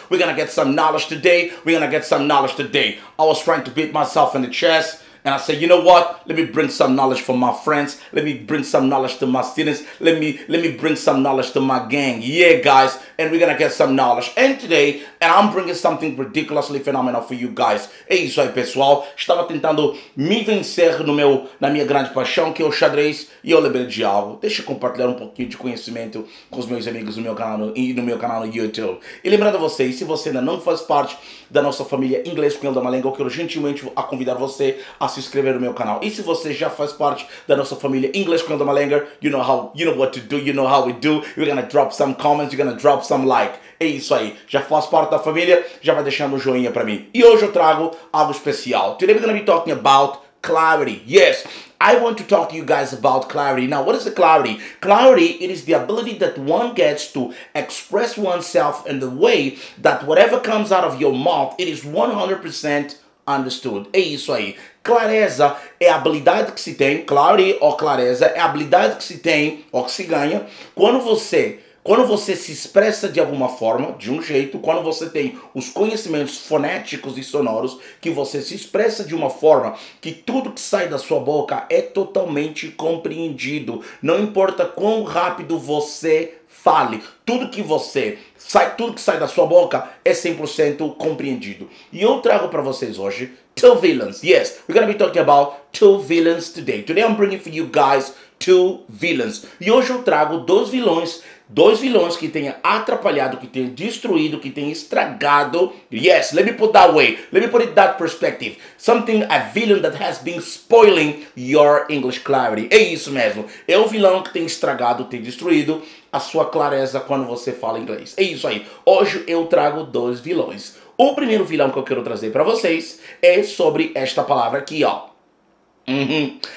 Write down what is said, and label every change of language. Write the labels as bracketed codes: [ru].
[en] We're gonna get some knowledge today. I was trying to beat myself in the chest. And I said, you know what? Let me bring some knowledge for my friends. Let me bring some knowledge to my students. Let me bring some knowledge to my gang. Yeah, guys. And we're going to get some knowledge. And today, and I'm bringing something ridiculously phenomenal for you guys. [pt] É isso aí, pessoal. Estava tentando me vencer no meu, na minha grande paixão, que é o xadrez. E eu lembrei de algo. Deixa eu compartilhar um pouquinho de conhecimento com os meus amigos no meu canal e no meu canal no YouTube. E lembrando a vocês, se você ainda não faz parte da nossa família Inglês com da Malenga, eu quero gentilmente a convidar você a se inscrever no meu canal. E se você já faz parte da nossa família Inglês com da Malenga, [en] you know what to do, you're gonna drop some comments, you're gonna drop some like. [pt] É isso aí. Já faz parte da família, já vai deixando um joinha pra mim. E hoje eu trago algo especial. [en] Today we're gonna be talking about clarity. Yes, I want to talk to you guys about clarity. Now, what is the clarity? Clarity, it is the ability that one gets to express oneself in the way that whatever comes out of your mouth, it is 100% understood. [pt] É isso aí. Clareza é a habilidade que se tem, clarity ou clareza, é a habilidade que se tem ou que se ganha quando você se expressa de alguma forma, de um jeito, quando você tem os conhecimentos fonéticos e sonoros, que você se expressa de uma forma que tudo que sai da sua boca é totalmente compreendido. Não importa quão rápido você fale, tudo que sai da sua boca é 100% compreendido. E eu trago para vocês hoje 2 vilões. [en] Yes, we're going to be talking about 2 vilões today. Today I'm bringing for you guys 2 vilões. [pt] E hoje eu trago 2 vilões. Dois vilões que tenha atrapalhado, que tenha destruído, que tenha estragado. [en] Yes, let me put that way. Let me put it that perspective. Something, a villain that has been spoiling your English clarity. [pt] É isso mesmo. É o vilão que tem estragado, tem destruído a sua clareza quando você fala inglês. É isso aí. Hoje eu trago 2 vilões. O primeiro vilão que eu quero trazer para vocês é sobre esta palavra aqui, ó. Uhum.